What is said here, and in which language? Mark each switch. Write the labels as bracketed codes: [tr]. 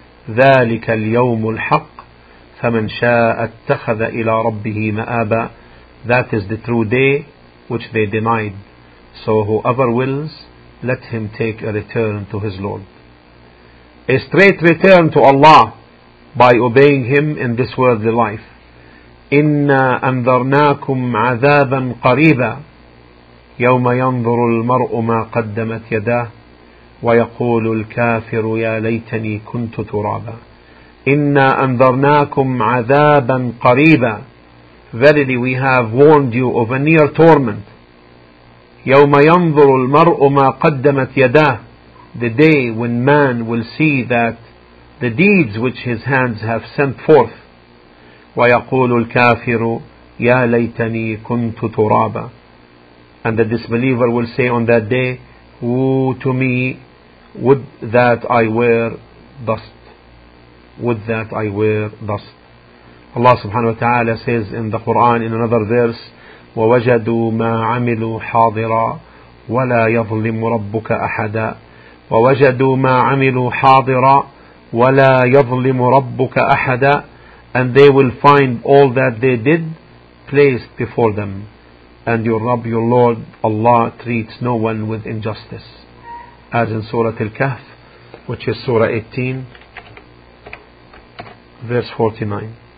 [ar] ذَلِكَ الْيَوْمُ الْحَقِّ فَمَنْ شَاءَ اتَّخَذَ إِلَىٰ رَبِّهِ مَآبًا. [en] That is the true day, which they denied. So whoever wills, let him take a return to his Lord. A straight return to Allah by obeying Him in this worldly life. [ar] إِنَّا أَنذَرْنَاكُمْ عَذَابًا قَرِيبًا يَوْمَ يَنْظُرُ الْمَرْءُ مَا قَدَّمَتْ يَدَاهُ وَيَقُولُ الْكَافِرُ يَا لَيْتَنِي كُنْتُ تُرَابًا إِنَّا أَنذَرْنَاكُمْ عَذَابًا قَرِيبًا. [en] Verily we have warned you of a near torment. [ar] يَوْمَ يَنْظُرُ الْمَرْءُ مَا قَدَّمَتْ يَدَاهُ. [en] The day when man will see that the deeds which his hands have sent forth. [ar] وَيَقُولُ الْكَافِرُ يَا لَيْتَنِي كُنْتُ تُرَابًا. [en] And the disbeliever will say on that day, woe to me, would that I were dust. Would that I were dust. Allah subhanahu wa ta'ala says in the Quran in another verse, [ar] وَوَجَدُوا مَا عَمِلُوا حَاضِرًا وَلَا يَظْلِمُ رَبُّكَ أَحَدًا وَوَجَدُوا مَا عَمِلُوا حَاضِرًا وَلَا يَظْلِمُ رَبُّكَ أَحَدًا. [en] And they will find all that they did placed before them. And your Rabb, your Lord, Allah treats no one with injustice. As in Surah Al-Kahf, which is Surah 18, verse 49.